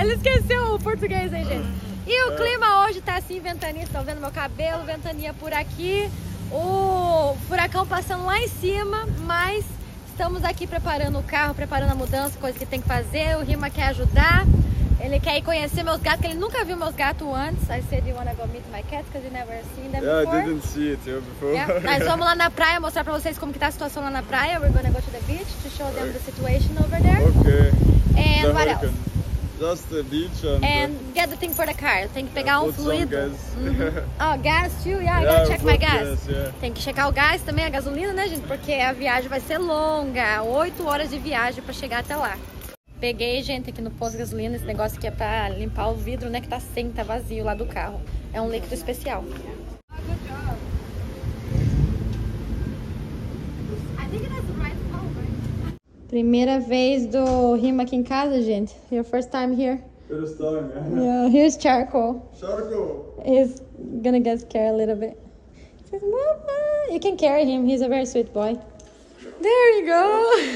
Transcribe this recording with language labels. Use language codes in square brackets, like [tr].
[pt] Ele esqueceu o português aí, gente. E o clima hoje tá assim, ventania. Estão vendo meu cabelo, ventania por aqui. O furacão passando lá em cima, mas... Estamos aqui preparando o carro, preparando a mudança, coisa que tem que fazer. O Rima quer ajudar. Ele quer ir conhecer meus gatos, porque ele nunca viu meus gatos antes. [en] I said you wanna go meet my cats, because you never seen them before. Yeah, I didn't see it before. Yeah. [pt] Mas vamos lá na praia mostrar pra vocês como que tá a situação lá na praia. [en] We're gonna go to the beach to show them the situation over there. Okay. And what else? Just the beach and get the thing for the car. [pt] Tem que pegar [en] put [pt] fluido. [en] Gas. Mm-hmm. Oh, gas too? Yeah, I gotta check my gas. Yes, yeah. [pt] Tem que checar o gás também, a gasolina, né, gente? Porque a viagem vai ser longa. 8 horas de viagem pra chegar até lá. Peguei, gente, aqui no posto de gasolina, esse negócio aqui é pra limpar o vidro, né, que tá sem, tá vazio lá do carro. É um líquido especial. Primeira vez do Rima aqui em casa, gente. [en] Your first time here. First time, yeah. Yeah, here's charcoal. Charcoal. He's gonna get scared a little bit. He says, Mama, you can carry him, he's a very sweet boy. There you go.